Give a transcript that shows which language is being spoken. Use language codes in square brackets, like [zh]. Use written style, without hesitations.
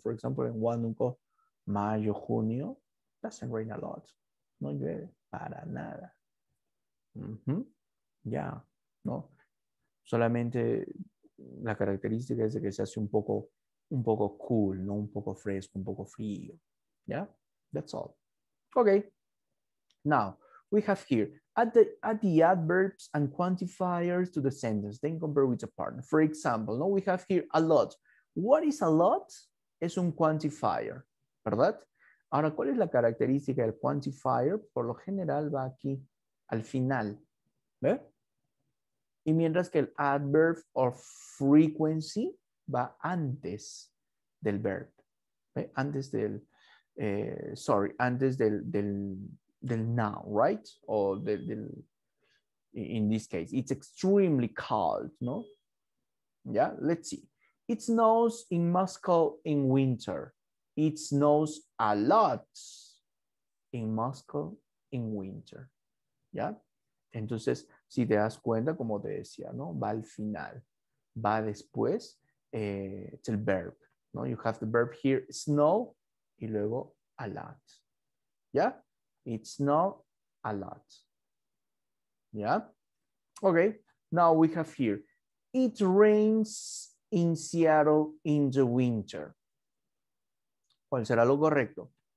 [en] For example, in Huánuco, mayo, junio, doesn't rain a lot. [es] No llueve para nada. Yeah, ¿no? Solamente la característica es de que se hace un poco cool, ¿no? Un poco fresco, un poco frío. [en] Yeah, that's all. Okay. Now, we have here, add the adverbs and quantifiers to the sentence, then compare with a partner. For example, no, we have here a lot. What is a lot? [es] Es un quantifier, ¿verdad? Ahora, ¿cuál es la característica del quantifier? Por lo general va aquí al final, ¿ve? Y mientras que el adverb of frequency va antes del verb, ¿eh? Antes del, sorry, antes del noun, right? O del, [en] in this case, it's extremely cold, ¿no? Yeah, let's see. It snows in Moscow in winter. It snows a lot in Moscow in winter. [es] Yeah, entonces, si te das cuenta, como te decía, ¿no? Va al final. Va después, it's el verb, ¿no? [en] You have the verb here, snow, [es] y luego [en] a lot. Yeah? It's not a lot. Yeah? Okay, now we have here, it rains in Seattle in the winter. [es] ¿Cuál será lo correcto?